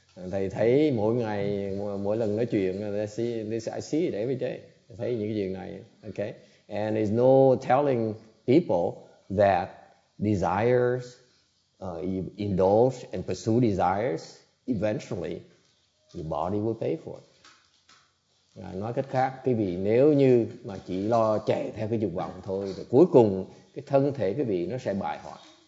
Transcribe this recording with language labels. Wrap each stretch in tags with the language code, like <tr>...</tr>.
<vi>Thầy thấy mỗi ngày mỗi lần nói chuyện</vi> <en>I see it every day.</en> <vi>Thấy những cái chuyện này, okay?</vi> <en>And there's no telling people that desires indulge and pursue desires eventually your body will pay for it.</en> <vi>Nói cách khác, quý vị nếu như mà chỉ lo chạy theo cái dục vọng thôi, thì cuối cùng cái thân thể quý vị nó sẽ bại hoại.</vi>